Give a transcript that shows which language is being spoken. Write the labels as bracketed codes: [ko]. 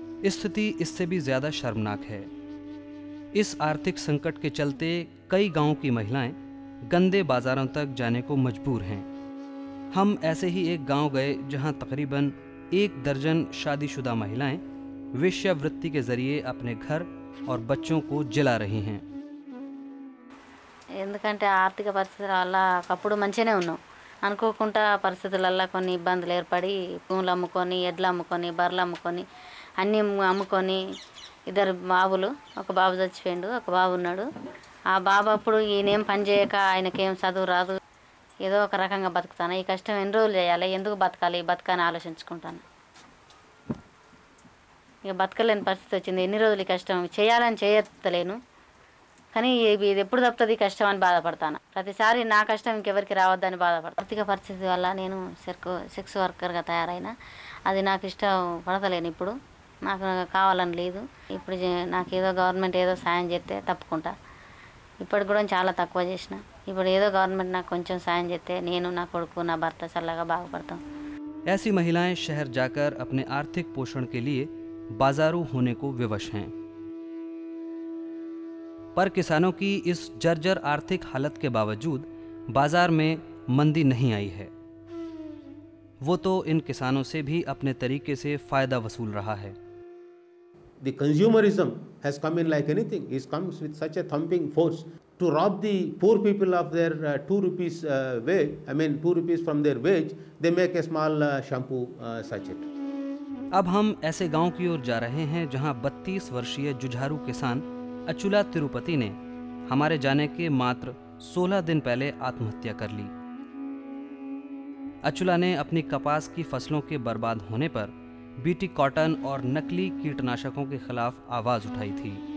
[hi] स्थिति इससे भी ज़्यादा शर्मनाक है. इस आर्थिक संकट के चलते कई गाँव की महिलाएँ गंदे बाजारों तक जाने को मजबूर हैं. हम ऐसे ही एक गांव गए जहां तकरीबन 1 दर्जन शादीशुदा महिलाएं वेश्यावृत्ति के जरिए अपने घर और बच्चों को जिला रही हैं. [te] ఎందుకంటే ఆర్థిక పరిస్థితుల వల్ల కప్పుడు మంచనే ఉన్నాం, అనుకోకుండా పరిస్థితుల వల్ల కొన్ని ఇబ్బందులు ఏర్పడి పూలు అమ్ముకొని, ఎడ్లు అమ్ముకొని, బర్రెలు అమ్ముకొని, అన్ని అమ్ముకొని, ఇద్దరు బాబులు, ఒక బాబు చచ్చిపోయిండు, ఒక బాబు ఉన్నాడు. ఆ బాబు అప్పుడు ఈయనేం పని చేయక ఆయనకేం చదువు రాదు, ఏదో ఒక రకంగా బతుకుతాను, ఈ కష్టం ఎన్ని రోజులు చేయాలి, ఎందుకు బతకాలి, బతకని ఆలోచించుకుంటాను. ఇక బతకలేని పరిస్థితి వచ్చింది, ఎన్ని రోజులు ఈ కష్టం చేయాలని చేయలేను, కానీ ఇది ఎప్పుడు తప్పుతుంది కష్టం అని బాధపడతాను. ప్రతిసారి నా కష్టం ఇంకెవరికి రావద్దని బాధపడతాను. ఆర్థిక పరిస్థితి వల్ల నేను సెక్స్ వర్కర్గా తయారైనా అది నాకు ఇష్టం పడతలేను. ఇప్పుడు నాకు కావాలని లేదు, ఇప్పుడు నాకు ఏదో గవర్నమెంట్ ఏదో సాయం చేస్తే తప్పకుండా. ఇప్పటికి కూడా చాలా తక్కువ చేసిన, ఇప్పుడు ఏదో గవర్నమెంట్ నాకు కొంచెం సాయం చేస్తే నేను నా కొడుకు నా భర్త చల్లగా బాగుపడతాం. [hi] ऐसी महिलाएं शहर जाकर अपने आर्थिक पोषण के लिए बाजारों होने को विवश हैं। पर किसानों की इस जर्जर आर्थिक हालत के बावजूद बाजार में मंदी नहीं आई है। वो तो इन किसानों से भी अपने तरीके से फायदा वसूल रहा है। [en] The consumerism has come in like anything. It comes with such a thumping force to rob the poor people of their two rupees from their wage. They make a small shampoo sachet. [hi] अब हम ऐसे गांव की ओर जा रहे हैं जहां 32 वर्षीय जुझारू किसान अचुला तिरुपति ने हमारे जाने के मात्र 16 दिन पहले आत्महत्या कर ली। अचुला ने अपनी कपास की फसलों के बर्बाद होने पर बीटी कॉटन और नकली कीटनाशकों के खिलाफ आवाज उठाई थी।